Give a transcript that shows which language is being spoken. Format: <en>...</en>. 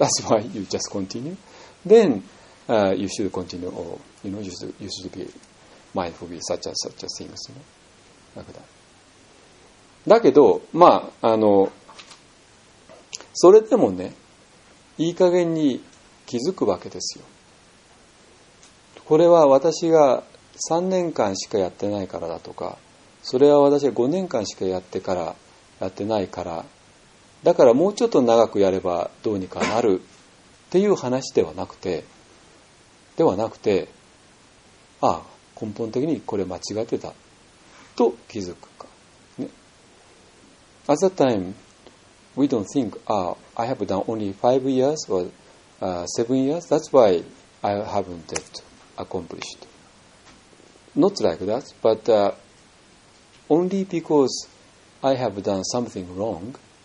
<en>That's why you just continue. Then, you should continue, or, you know, you should be mindful of such a things, you know, like that.</en> <ja>だけど、まあ、それでもね、いい加減に気づくわけですよ。これは私が3年間しかやってないからだとか、それは私が5年間しかやってないから、だからもうちょっと長くやればどうにかなるっていう話ではなくて、ああ、根本的にこれ間違ってたと気づく。</ja> <en>At that time, we don't think, I have done only 5 years or 7 years. That's why I haven't yet accomplished. Not like that, but only because I have done something wrong.</en>